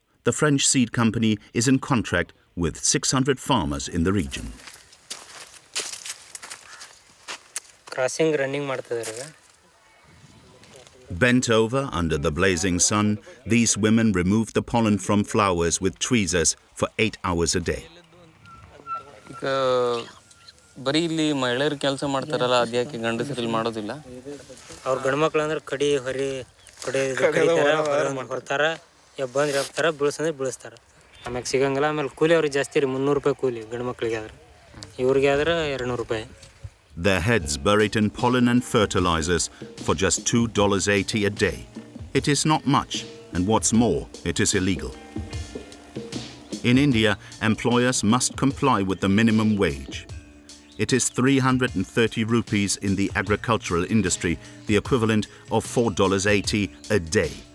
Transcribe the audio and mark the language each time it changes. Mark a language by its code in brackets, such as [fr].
[en] The French seed company is in contract with 600 farmers in the region. crossing running martidare. Bent over under the blazing sun, these women remove the pollen from flowers with tweezers for 8 hours a day. [kn] ಬರೀ ಇಲ್ಲಿ ಮಹಿಳೆಯರು ಕೆಲಸ ಮಾಡ್ತಾರಲ್ಲ ಅದ್ಯಾಕೆ ಗಂಡಸರಲ್ಲಿ ಮಾಡೋದಿಲ್ಲ ಅವ್ರು ಗಣಮಕ್ಳು ಅಂದ್ರೆ ಕಡಿ ಹರಿ ಕಡೆ ಹೊರತಾರ ಎಬ್ಬಂದ್ರೆ ಹಾಕ್ತಾರ ಬೀಳ್ಸಂದ್ರೆ ಬೀಳಿಸ್ತಾರ ಆಮ್ಯಾಗೆ ಸಿಗಂಗಿಲ್ಲ ಆಮೇಲೆ ಕೂಲಿ ಅವ್ರಿಗೆ ಜಾಸ್ತಿ ರೀ 300 ರೂಪಾಯಿ ಕೂಲಿ ಗಣಮಕ್ಳಿಗೆ ಆದ್ರೆ ಇವ್ರಿಗೆ ಆದ್ರೆ 200 ರೂಪಾಯಿ [en] Their heads buried in pollen and fertilizers for just $2.80 a day. It is not much, and what's more, it is illegal. In India, employers must comply with the minimum wage. It is 330 rupees in the agricultural industry, the equivalent of $4.80 a day.